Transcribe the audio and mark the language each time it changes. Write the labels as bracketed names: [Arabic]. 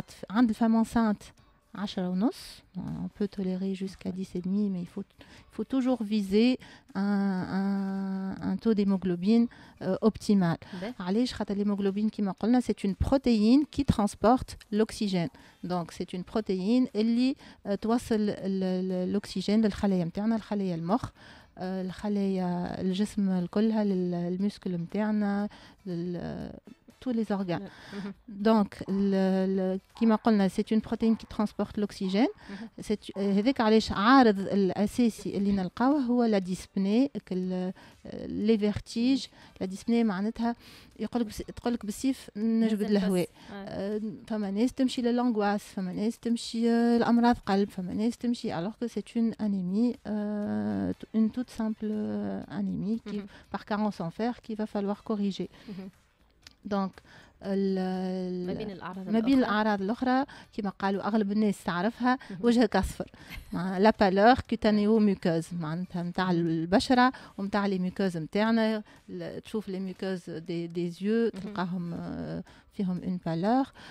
[Arabic] عند الفام انسانت [French] 10.5، on peut tolérer jusqu'à 10.5 mais il faut toujours viser un taux d'hémoglobine optimal. [Arabic] علاش؟ خاطر الهيموغلوبين كيما قلنا [French] c'est une protéine qui transporte l'oxygène. Donc c'est une protéine [Arabic] اللي توصل الاكسجين للخلايا نتاعنا، الخلايا المخ، الخلايا الجسم كلها، للمسكل نتاعنا، [French] tous les organes. Donc le [Arabic] كيما قلنا [French] c'est une protéine qui transporte l'oxygène. [Arabic] C'est هذاك علاش عارض الاساسي اللي نلقاوه هو لا ديسبني، لي فيرتيج. لا ديسبني معناتها يقولك تقولك بالسيف نجبد الهواء. فما ناس تمشي للانغواس، فما ناس تمشي [French] لامراض قلب، فما ناس تمشي alors que c'est une anémie une toute simple anémie qui par carence en fer qui va falloir corriger. [Arabic] دونك ما بين الاعراض الاخرى كما قالوا اغلب الناس تعرفها وجهك اصفر، لا بالور كوتانيو ميكوز، معناتها نتاع البشره ونتاع لي ميكوز نتاعنا. تشوف لي ميكوز دي زيو تلقاهم فيهم اون بالور.